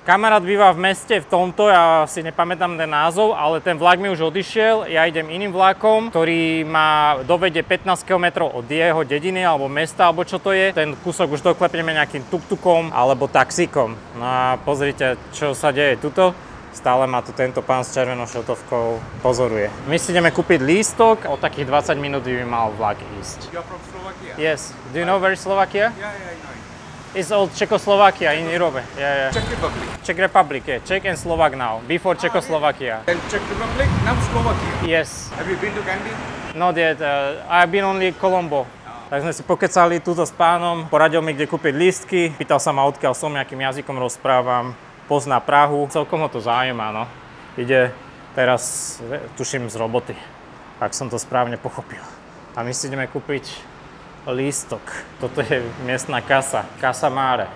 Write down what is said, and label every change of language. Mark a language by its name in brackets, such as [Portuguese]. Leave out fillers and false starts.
[Slovak] Kamarát býva v meste, v tomto, ja si nepamätám ten názov, ale ten vlak mi už odišiel, ja idem iným vlakom, ktorý ma dovedie 15 km od jeho dediny, alebo mesta, alebo čo to je. Ten kúsok už doklepneme nejakým tuktukom, alebo taxíkom. No a pozrite, čo sa deje tuto. Stále ma tu tento pán s červenou šotovkou pozoruje. My si ideme kúpiť lístok, o takých 20 minút by mal vlak ísť. [English] You're from Slovakia? Yes. Do you know where is Slovakia? Yeah, I know. It's all Czechoslovakia in Europe. Yeah. Czech Republic. Czech Republic, yeah. Czech and Slovak now, before Czechoslovakia. Yeah. And Czech Republic, now Slovakia. Yes. Have you been to Gandhi? Not yet, I've been only Colombo. [Slovak] Tak sme si pokecali túto s pánom, poradil mi, kde kúpiť lístky, pýtal sa ma, odkiaľ som, nejakým jazykom rozprávam. Pozná Prahu, celkom ho to zaujíma, no. Ide teraz, tuším, z roboty, ak som to správne pochopil. A my si ideme kúpiť lístok. Toto je miestna kasa, Casa Mare.